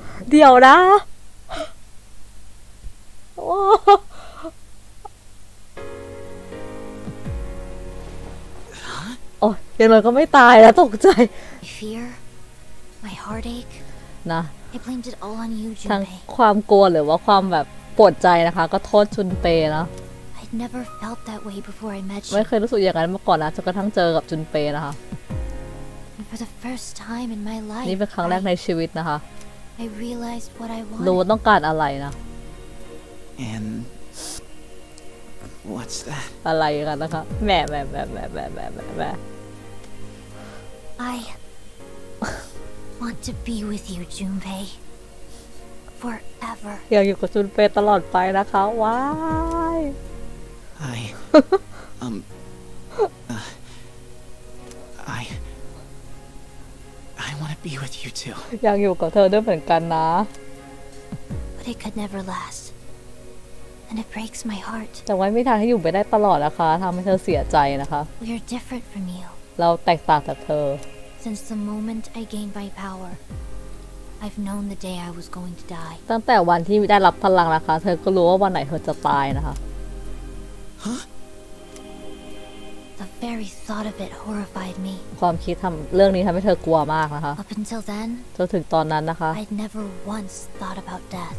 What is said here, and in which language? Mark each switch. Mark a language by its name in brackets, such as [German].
[Thai] เดี๋ยวนะโอ้ยังไงก็ไม่ตายนะตกใจ [English] Fear, my heartache. [Thai] นะ [English] I blamed it all on you, [Thai] ทั้งความกลัวหรือว่าความแบบปวดใจนะคะก็โทษชุนเปนะ [English] I'd never felt that way before I met you. [Thai] ไม่เคยรู้สึกอย่างนั้นมาก่อนนะจนกระทั่งเจอกับชุนเปนะคะ [English] And for the first time in my life, [Thai] นี่เป็นครั้งแรกในชีวิตนะคะ [English] I realized what I want. [Thai] รู้ว่าต้องการอะไรนะ [English] And what's that? [Thai] อะไรกันนะคะแม่แม่แม่แม่แม่แม่แม่แม่ [English] I want to be with you, Junpei, forever. [Thai] อยากอยู่กับจุนเปตลอดไปนะคะว้าย [English] I I want to be with you too. [Thai] อยากอยู่กับเธอด้วยเหมือนกันนะ [English] But it could never last. And it breaks my heart. [Thai] แต่ว่าไม่ทางให้อยู่ไปได้ตลอดนะคะทำให้เธอเสียใจนะคะ [English] We are different from you. [Thai] เราแตกต่างจากเธอ [English] Since the moment I gained my power, I've known the day I was going to die. [Thai] ตั้งแต่วันที่ได้รับพลังนะคะเธอก็รู้ว่าวันไหนเธอจะตายนะคะ [English] Huh? The very thought of it horrified me. [Thai] ความคิดทำเรื่องนี้ทำให้เธอกลัวมากนะคะ [English] Up until then, [Thai] จนถึงตอนนั้นนะคะ [English] I'd never once thought about death.